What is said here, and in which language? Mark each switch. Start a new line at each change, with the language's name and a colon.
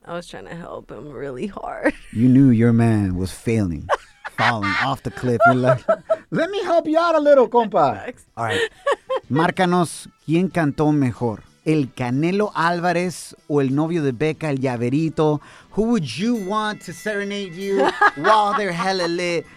English: I was trying to help him really hard. You knew your man was failing, falling off the cliff. You're like, let me help you out a little, compa. Next. All right.
Spanish: Márcanos, ¿quién cantó mejor? ¿El Canelo Álvarez o el novio de Becca, el Llaverito?
English: Who would you want to serenade you while they're hella lit?